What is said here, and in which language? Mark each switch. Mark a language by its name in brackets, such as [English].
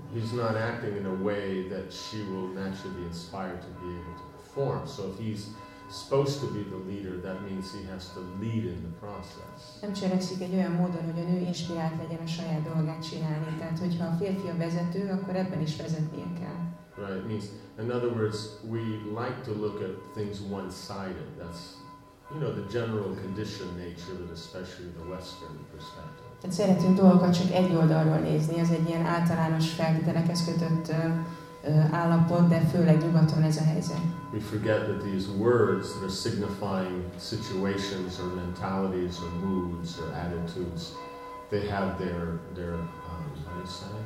[English] He's not acting in a way that she will naturally be inspired to be able to perform. So if he's supposed to be the leader, that means he has to lead in the process. [Hungarian] Nem cselekszik egy olyan módon, hogy a nő inspirált legyen a saját dolgát csinálni. Tehát hogyha a férfi a vezető, akkor ebben is vezetnie kell. [English] Right. Means, in other words, we like to look at things one-sided. That's, you know, the general conditioned nature, but especially the Western perspective. [Hungarian] Tehát szeretünk dolgokat csak egy oldalról nézni, ez egy ilyen általános feltételekhez kötött állapot, de főleg nyugaton ez a helyzet. [English] We forget that these words that are signifying situations or mentalities or moods or attitudes, they have their what do you say?